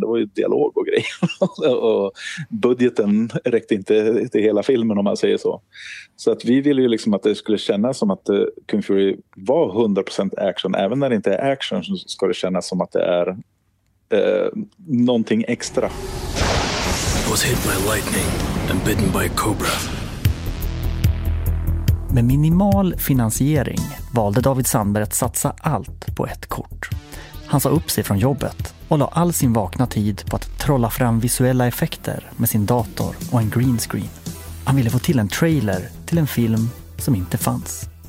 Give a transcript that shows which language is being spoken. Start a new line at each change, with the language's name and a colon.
Swedish: Det var ju dialog och grejer. Och budgeten räckte inte till hela filmen om man säger så. Så att vi ville ju liksom att det skulle kännas som att Kung Fury var 100% action. Även när det inte är action så ska det kännas som att det är någonting extra.
English: I was hit by lightning and bitten by a cobra.
Swedish: Med minimal finansiering valde David Sandberg att satsa allt på ett kort. Han sa upp sig från jobbet och la all sin vakna tid på att trolla fram visuella effekter med sin dator och en green screen. Han ville få till en trailer till en film som inte fanns.